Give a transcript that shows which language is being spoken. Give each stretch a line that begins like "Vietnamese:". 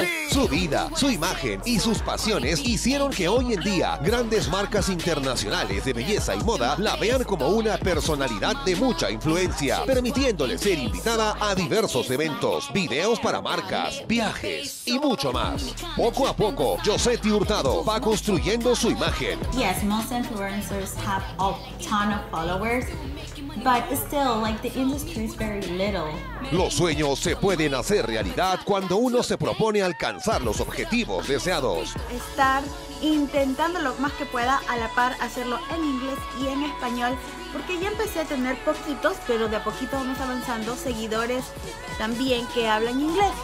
Spanish: Su vida, su imagen y sus pasiones hicieron que hoy en día grandes marcas internacionales de belleza y moda la vean como una personalidad de mucha influencia, permitiéndole ser invitada a diversos eventos, videos para marcas, viajes y mucho más. Poco a poco, Josetti Hurtado va construyendo su imagen.
English: Yes, most influencers have a ton of followers, but still, like, the industry is very little.
Spanish: Los sueños se pueden hacer realidad cuando uno se propone alcanzar los objetivos deseados. Estar intentando lo más que pueda, a la par hacerlo en inglés y en español, porque ya empecé a tener poquitos, pero de a poquito vamos avanzando, seguidores también que hablan inglés.